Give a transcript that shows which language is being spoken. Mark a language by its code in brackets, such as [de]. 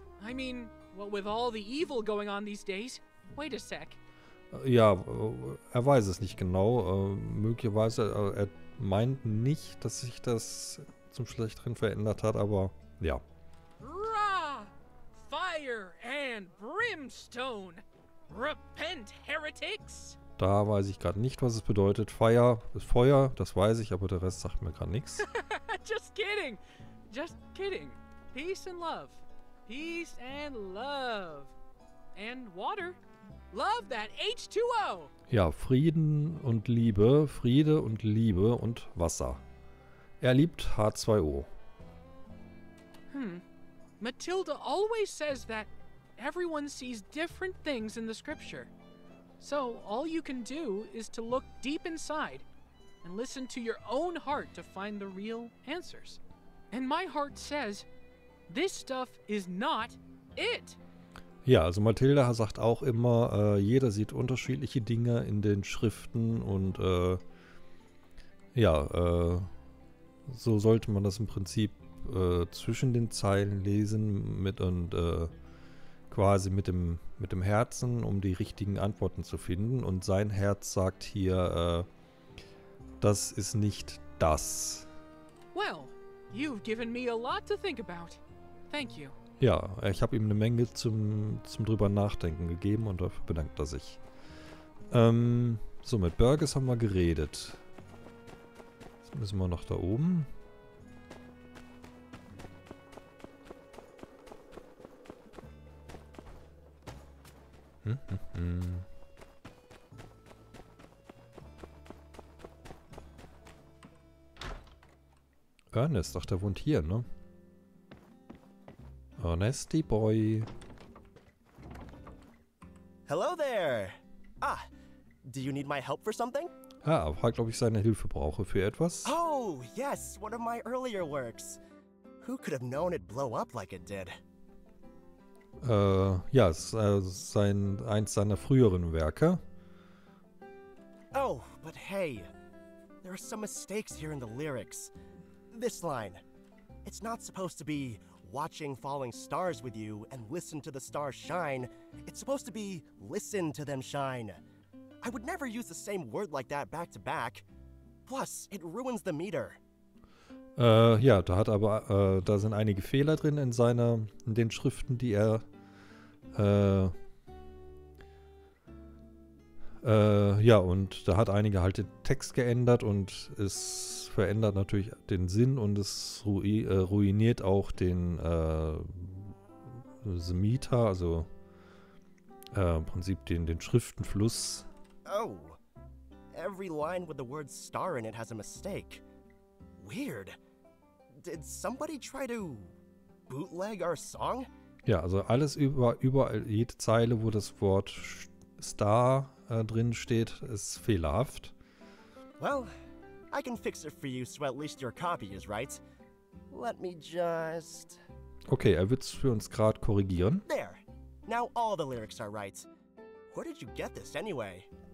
[en] I mean, what with all the evil going on these days? Wait a sec. [de] Ja, er weiß es nicht genau. Möglicherweise, er meint nicht, dass sich das zum Schlechteren verändert hat, aber ja. [en] Hurrah! Fire and brimstone! Repent, heretics! [de] Da weiß ich gerade nicht, was es bedeutet. Fire ist Feuer, das weiß ich, aber der Rest sagt mir gerade nichts. [en] Just kidding! Just kidding! Peace and love! Peace and love. And water. Love that H2O. [de] Ja, Frieden und Liebe. Friede und Liebe und Wasser. Er liebt H2O. Hm. [en] Matilda always says that everyone sees different things in the scripture. So all you can do is to look deep inside and listen to your own heart to find the real answers. And my heart says, this stuff is not it. [de] Ja, also Matilda sagt auch immer, jeder sieht unterschiedliche Dinge in den Schriften und so sollte man das im Prinzip zwischen den Zeilen lesen mit und quasi mit dem Herzen, um die richtigen Antworten zu finden. Und sein Herz sagt hier, das ist nicht das. [en] Well, you've given me a lot to think about. Thank you. [de] Ja, ich habe ihm eine Menge zum drüber nachdenken gegeben und dafür bedankt er sich. So, mit Burgess haben wir geredet. Jetzt müssen wir noch da oben. Ernest, ach, der wohnt hier, ne? [en] Honesty boy. Hello there. Ah, do you need my help for something? [de] Ja, frag, ob ich seine Hilfe brauche für etwas. [en] Oh, yes, one of my earlier works. Who could have known it'd blow up like it did? [de] Ja, es ist eins seiner früheren Werke. [en] Oh, but hey, there are some mistakes here in the lyrics. This line. It's not supposed to be watching falling stars with you and listen to the stars shine. It's supposed to be listen to them shine. I would never use the same word like that back to back. Plus, it ruins the meter. [de] Ja, da hat aber da sind einige Fehler drin in seiner in den Schriften, die er ja, und da hat einige halt den Text geändert und es verändert natürlich den Sinn und es ruiniert auch den the meter, also im Prinzip den Schriftenfluss. [en] Oh, every line with the word star in it has a mistake. Weird. Did somebody try to bootleg our song? [de] Ja, also alles überall, jede Zeile, wo das Wort Star drin steht, ist fehlerhaft. [en] Well, I can fix it for you, so at least your copy is right. Let me just... [de] Okay, er wird's für uns gerade korrigieren. [en] There. Now all the lyrics are right. Where did you get this anyway?